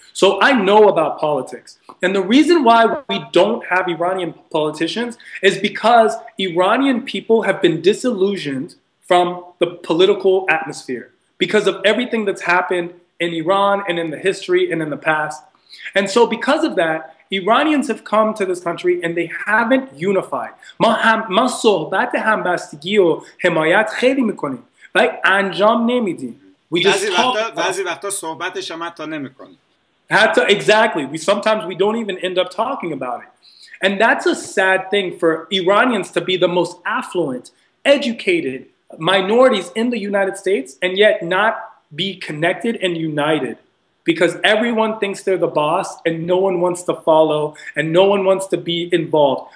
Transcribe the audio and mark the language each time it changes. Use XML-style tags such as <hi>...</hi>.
<en>So I know about politics. And the reason why we don't have Iranian politicians is because Iranian people have been disillusioned from the political atmosphere because of everything that's happened in Iran and in the history and in the past. And so because of that, Iranians have come to this country and they haven't unified.</en> <fa>ما صحبت همبستگی و حمایت خیلی میکنیم. ولی انجام نمیدیم.</fa> <en>We just talk.</en> <fa>بعضی وقتا صحبتش هم حتی نمیکنیم. حتی</fa> <en>exactly. Sometimes we don't even end up talking about it. And that's a sad thing for Iranians to be the most affluent, educated minorities in the United States and yet not be connected and united. Because everyone thinks they're the boss and no one wants to follow and no one wants to be involved.</en>